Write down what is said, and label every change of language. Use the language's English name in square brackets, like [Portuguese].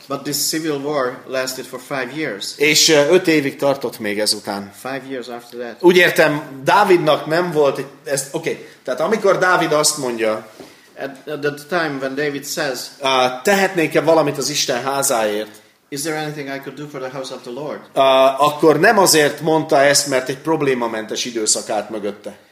[English] But this civil war lasted for 5 years. [Hungarian] És 5 évig tartott még ezután. [English] 5 years after that. [Hungarian] Úgy értem, Dávidnak nem volt ez, oké. Tehát amikor Dávid azt mondja, [English] at the time when David says, [Hungarian] tehetnék-e valamit az Isten házáért? [English] Is there anything I could do for the house of the Lord? [Hungarian] Akkor nem azért mondta ezt, mert egy problémamentes időszak állt mögötte.